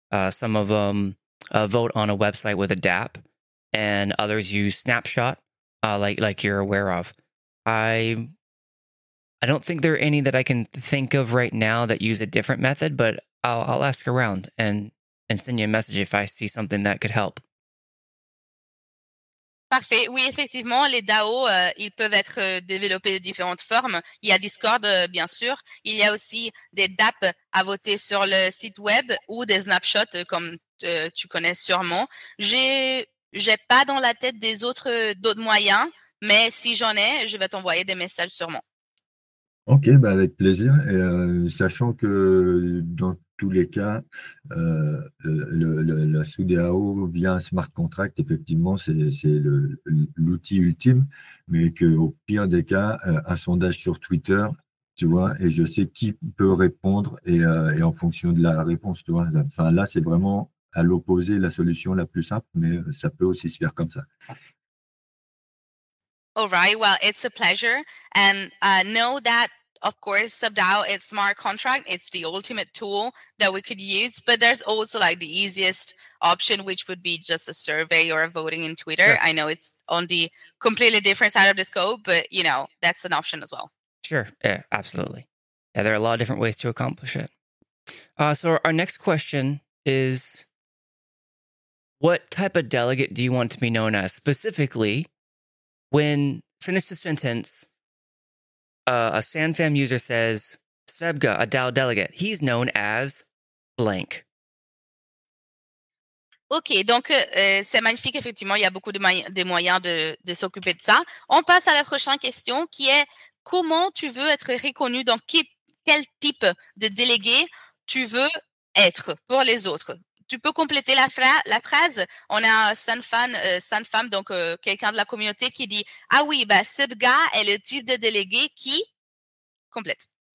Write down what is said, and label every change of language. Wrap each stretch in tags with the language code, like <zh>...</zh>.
<en>Some of them vote on a website with a dApp, and others use Snapshot, like you're aware of. I don't think there are any that I can think of right now that use a different method, but I'll ask around and send you a message if I see something that could help.</en> <fr>Parfait. Oui, effectivement, les DAO, ils peuvent être développés de différentes formes. Il y a Discord, bien sûr. Il y a aussi des dApps à voter sur le site web ou des snapshots, comme tu connais sûrement. J'ai pas dans la tête d'autres moyens, mais si j'en ai, je vais t'envoyer des messages sûrement. Ok, bah avec plaisir. Et sachant que dans tous les cas, la SUDAO via un smart contract, effectivement, c'est l'outil ultime, mais qu'au pire des cas, un sondage sur Twitter, tu vois, et je sais qui peut répondre et en fonction de la réponse, tu vois. Enfin, là, c'est vraiment à l'opposé la solution la plus simple, mais ça peut aussi se faire comme ça.</fr> <en>All right, well, it's a pleasure. And know that, of course, sub-DAO, it's smart contract. It's the ultimate tool that we could use. But there's also like the easiest option, which would be just a survey or a voting in Twitter. Sure. I know it's on the completely different side of the scope, but you know, that's an option as well. Sure. Yeah, absolutely. Yeah, there are a lot of different ways to accomplish it. So our next question is, what type of delegate do you want to be known as? Specifically, when finish the sentence, a SanFam user says, Sebga, a DAO delegate, he's known as blank.</en> <fr>OK, donc c'est magnifique, effectivement, il y a beaucoup de moyens de s'occuper de ça. On passe à la prochaine question qui est comment tu veux être reconnu, dans quel type de délégué tu veux être pour les autres? Tu peux compléter la phrase. On a Sanfam, donc quelqu'un de la communauté qui dit, ah oui, bah, ce gars est le type de délégué qui complète.</fr>